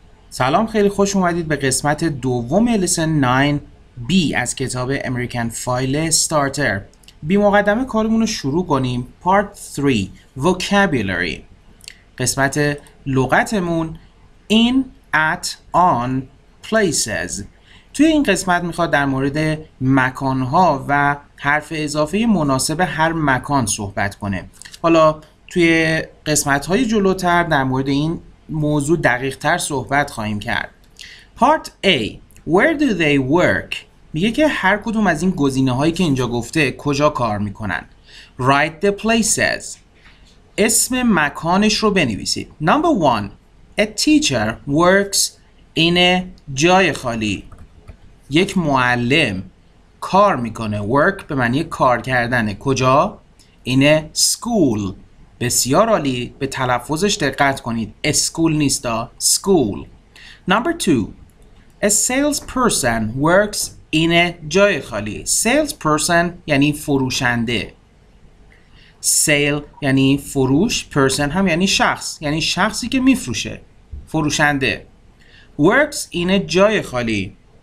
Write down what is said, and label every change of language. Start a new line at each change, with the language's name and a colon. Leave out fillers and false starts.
Persian: سلام، خیلی خوش اومدید به قسمت دوم لسن 9B از کتاب امریکن فایل استارتر. بی مقدمه کارمون رو شروع کنیم. پارت 3 vocabulary. قسمت لغتمون in, at, on, places. توی این قسمت میخواد در مورد مکانها و حرف اضافه مناسب هر مکان صحبت کنه. حالا توی قسمت‌های جلوتر در مورد این موضوع دقیق‌تر صحبت خواهیم کرد.
English: Part A. Where do they work?
Persian: میگه که هر کدوم از این گزینه‌هایی که اینجا گفته کجا کار می‌کنن.
English: Write the places.
Persian: اسم مکانش رو بنویسید.
English: Number 1. A teacher works in a
Persian: جای خالی. یک معلم کار می‌کنه. Work به معنی کار کردنه. کجا؟
English: In a school.
Persian: بسیار عالی، به تلفظش دقت کنید. اسکول نیستا، سکول. نمبر 2.
English: A sales person works in a
Persian: جای خالی. Sales person یعنی فروشنده. Sale یعنی فروش، person هم یعنی شخص، یعنی شخصی که میفروشه، فروشنده.
English: Works in a
Persian: جای خالی.